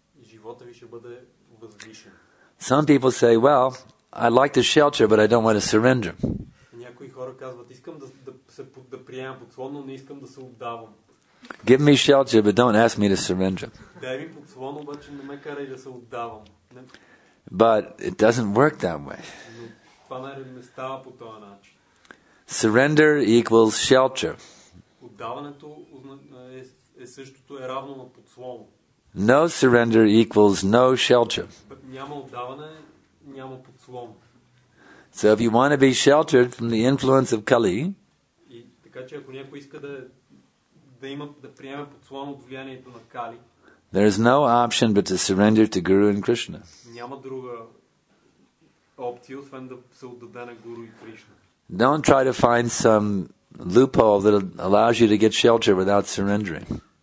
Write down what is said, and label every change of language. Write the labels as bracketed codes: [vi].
[bg] Живота ви ще бъде възвишен. [en] Some people say, well, I like the shelter, but I don't want to surrender. [bg] Някои хора казват, искам да приема подслон, но не искам да се отдавам. [en] Give me shelter, but don't ask me to surrender. [bg] Дай ми подслон, обаче не ме карай да се отдавам. [en] But it doesn't work that way. [bg] Това не става по този начин. [en] Surrender equals shelter. [bg] Отдаването е същото, е равно на подслон. [en] No surrender equals no shelter. [bg] Няма отдаване, няма подслон. [en] So if you want to be sheltered from the influence of Kali, [bg] и така че ако някой иска да приеме подслон от влиянието на Кали, [en] there is no option but to surrender to Guru and Krishna. [bg] Няма друга опция, освен да се отдаде на Гуру и Кришна. [en] Don't try to find some loophole that allows you to get shelter without surrendering.